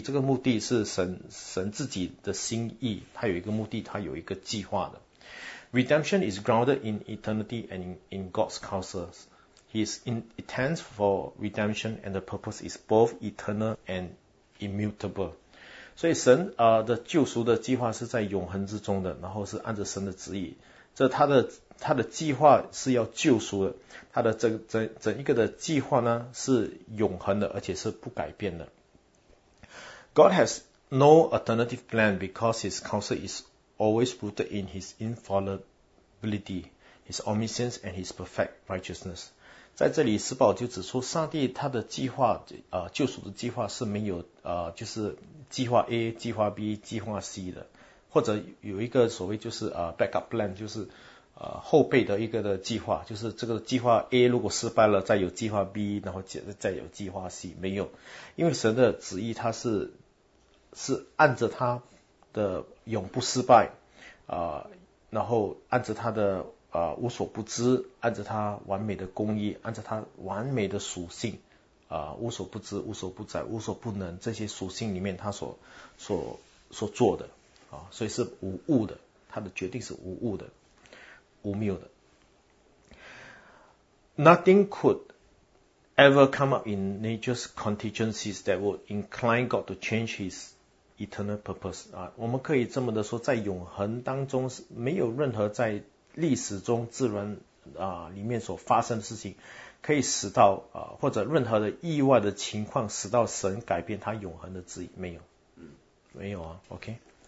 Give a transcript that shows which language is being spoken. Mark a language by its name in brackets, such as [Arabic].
[Chinese] 这个目的是神自己的心意，它有一个目的，它有一个计划的。 [English] Redemption is grounded in eternity and in God's counsel. He is intent for redemption, and the purpose is both eternal and immutable. [Chinese] 所以神的救赎的计划是在永恒之中的，然后是按着神的旨意，这他的计划是要救赎的，他的整一个的计划呢是永恒的，而且是不改变的。 [English] God has no alternative plan because his counsel is always rooted in his infallibility, his omniscience and his perfect righteousness. [Chinese] 在这里施宝就指出上帝他的计划救赎的计划是没有就是计划 A 计划 B 计划 C 的，或者有一个所谓就是backup plan， 就是后备的一个的计划，就是这个计划 A 如果失败了再有计划 B， 然后再有计划 C， 没有。因为神的旨意他是按着他的永不失败然后按着他的无所不知，按着他完美的公义，按着他完美的属性无所不知、无所不在、无所不能，这些属性里面他所做的所以是无误的，他的决定是无误的、无谬的。 [English] Nothing could ever come up in nature's contingencies that would incline God to change his eternal purpose. [Chinese] 我们可以这么的说，在永恒当中没有任何在历史中自然里面所发生的事情可以使到或者任何的意外的情况使到神改变他永恒的旨意，没有。没有啊， OK。